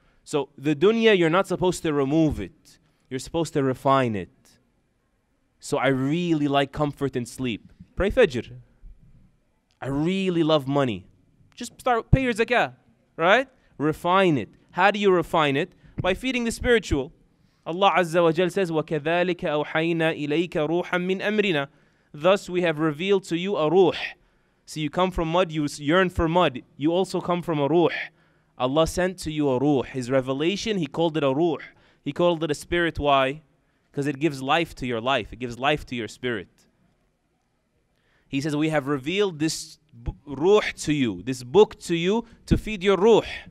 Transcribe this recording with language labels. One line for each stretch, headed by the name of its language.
English: So the dunya, you're not supposed to remove it. You're supposed to refine it. So I really like comfort and sleep. Pray fajr. I really love money. Just start, pay your zakah, right? Refine it. How do you refine it? By feeding the spiritual. Allah Azza wa Jal says,
Arabic: وَكَذَلِكَ أَوْحَيْنَا إِلَيْكَ رُوحًا مِّنْ أَمْرِنَا.
English: Thus we have revealed to you a ruh. See, you come from mud, you yearn for mud. You also come from a ruh. Allah sent to you a ruh. His revelation, he called it a ruh. He called it a spirit. Why? Because it gives life to your life. It gives life to your spirit. He says, we have revealed this ruh to you, this book to you, to feed your ruh.